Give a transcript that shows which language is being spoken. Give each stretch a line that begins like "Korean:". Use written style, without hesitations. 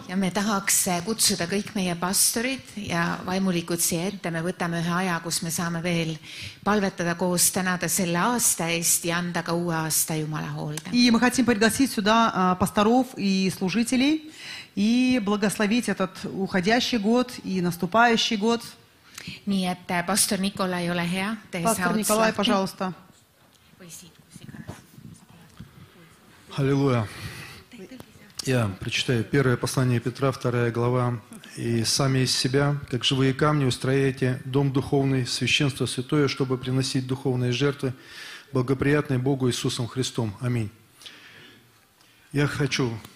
Estonian: Ja me tahaks kutsuda kõik meie pastorid ja vaimulikud siia ette. Me võtame ühe aja, kus me saame veel palvetada koos tänada selle aasta eest ja anda ka uue aasta Jumala hoolde.
Russian: И мы хотим пригласить сюда пасторов и служителей. И благословить этот уходящий год и наступающий год. Nii et, пастор Николай, ole hea. Пастор Николай, пожалуйста. Аллилуйя. Я прочитаю первое послание Петра, вторая глава. И сами из себя, как живые камни, устрояйте дом духовный, священство святое, чтобы приносить духовные жертвы, благоприятные Богу Иисусом Христом. Аминь. Я хочу...